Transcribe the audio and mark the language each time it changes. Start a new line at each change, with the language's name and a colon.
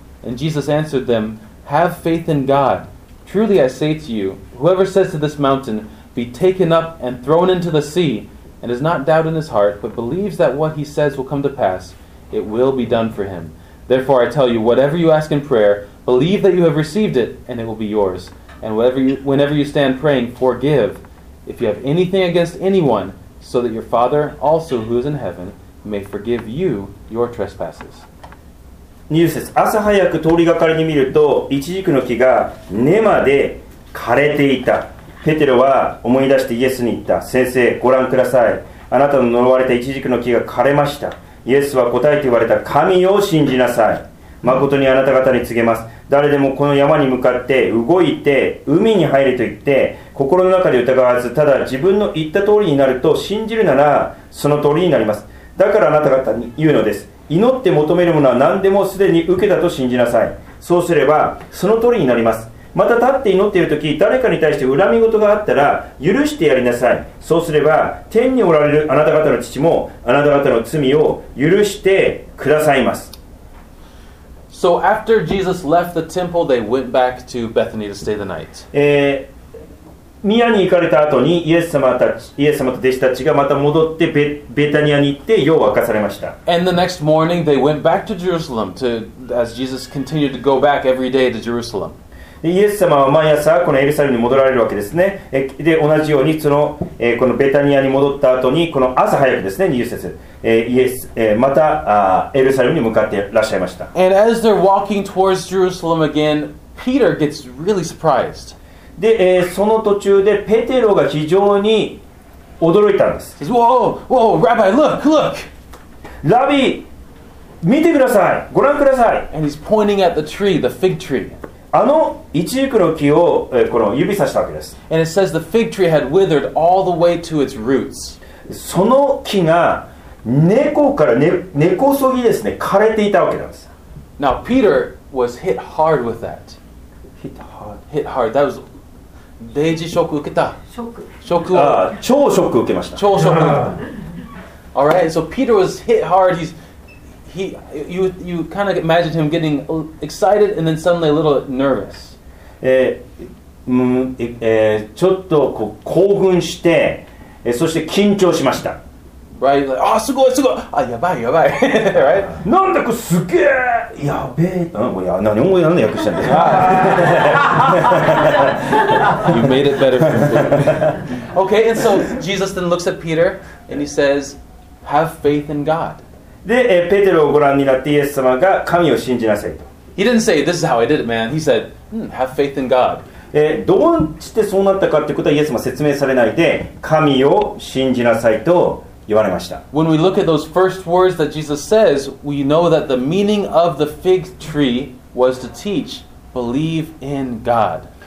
English: And Jesus answered them, Have faith in God. Truly I say to you, whoever says to this mountain, Be taken up and thrown into the sea, and does not doubt in his heart, but believes that what he says will come to pass, it will be done for him. Therefore I tell you, whatever you ask in prayer, believe that you have received it, and it will be yours. And whenever you stand praying, forgive, if you have anything against anyone, so that your Father also who is in heaven may forgive you your trespasses.
Japanese: 20節、朝早く通りがかりに見ると、イチジクの木が根まで枯れていた。ペテロは思い出してイエスに言った。先生、ご覧ください。あなたの呪われたイチジクの木が枯れました。イエスは答えて言われた。神を信じなさい。誠にあなた方に告げます。誰でもこの山に向かって動いて海に入れと言って、心の中で疑わず、ただ自分の言った通りになると信じるなら、その通りになります。だからあなた方に言うのです。祈って求めるものは何でもすでに受けたと信じなさい。そうすればその通りになります。また立って祈っているとき、誰かに対して恨み事があったら許してやりなさい。そうすれば天におられるあなた方の父もあなた方の罪を許してくださいます。
English: So after Jesus left the temple, they went back to Bethany to stay the night.
Japanese: 宮に行かれた後にイエス様と弟子たちがまた戻ってベタニアに行って夜を明かされました。
English: And the next morning they went back to Jerusalem to, as Jesus continued to go back every day to Jerusalem.
Japanese: イエス様は毎朝このエルサレムに戻られるわけですね。で、同じようにその、このベタニアに戻った後にこの朝早くですね、20節、イエス、またエルサレムに向かってらっしゃいました。
English: And as they're walking towards Jerusalem again, Peter gets really surprised.
Japanese: で、その途中でペテロが非常に驚いたんです。
English: Rabbi, look, look!
Japanese: ラビ、見てください、ご覧ください。
English: And he's pointing at the tree, the fig tree.
Japanese: あのイチジクの木を、この指さしたわけです。
English: And it says the fig tree had withered all the way to its roots.
Japanese: その木が根こそぎですね、枯れていたわけなんです。
English: Now, Peter was hit hard with that. Hit hard. That was...
Japanese: デイジショック受けた。超ショック受けました。超ショック受けた。
English: All right, so Peter was hit hard. You kind of imagine him getting excited and then suddenly a little nervous.
Japanese: ちょっとこう興奮して、そして緊張しました。
English: Right, like,
Japanese: あ、すごいすごい。あ、やばいやばい。
English: right?
Japanese: なんだこれすげえ。やべえ。何を言うの訳したんだ。
English: You made it better for me. Okay, and so Jesus then looks at Peter and he says, Have faith in God.
Japanese: で、ペテロをご覧になってイエス様が神を信じなさいと。
English: He didn't say, This is how I did it, man. He said, Have faith in God.
Japanese: どうしてそうなったかということはイエス様は説明されないで、神を信じなさいと。言われました。
English: When we look at those first words that Jesus says, we know that the meaning of the fig tree was to teach believe in God.